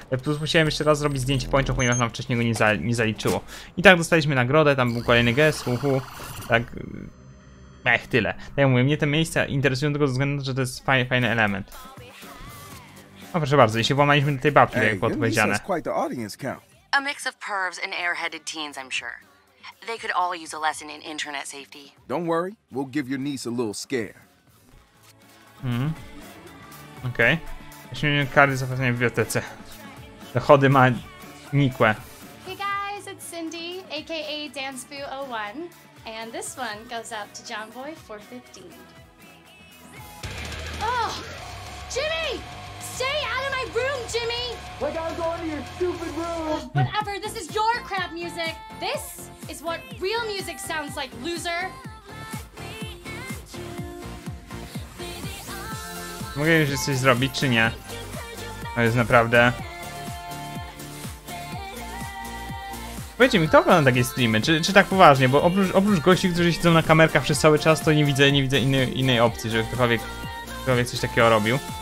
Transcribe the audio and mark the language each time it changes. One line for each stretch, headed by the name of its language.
Polish: Plus musiałem jeszcze raz zrobić zdjęcie pończo, ponieważ nam wcześniej go nie zaliczyło. I tak dostaliśmy nagrodę, tam był kolejny gest, tak. Mech, tyle. Tak jak mówię, mnie te miejsca interesują tylko ze względu na to, że to jest fajny, fajny element. O, proszę bardzo, i się włamaliśmy do tej babki, tak jak było odpowiedziane.
English: A mix of pervs and airheaded teens, I'm sure. They could all use a lesson in internet safety. Don't worry, we'll give your niece a little scare.
Polish: Okej. Okay. 8 milion kary za pasanie w bibliotece. Dochody ma nikłe.
English: Hey guys, it's Cindy, aka DanceBoo01. And this one goes out to JohnBoy415. Oh! Jimmy! Stay out of my room, Jimmy! Like I'm going to your stupid room! Whatever, this is your crap music! This is what real music sounds like, loser!
Polish: Mogę już coś zrobić, czy nie? To jest naprawdę... Powiedzcie mi, kto ogląda takie streamy? Czy tak poważnie? Bo oprócz gości, którzy siedzą na kamerkach przez cały czas, to nie widzę innej opcji, żeby ktokolwiek coś takiego robił.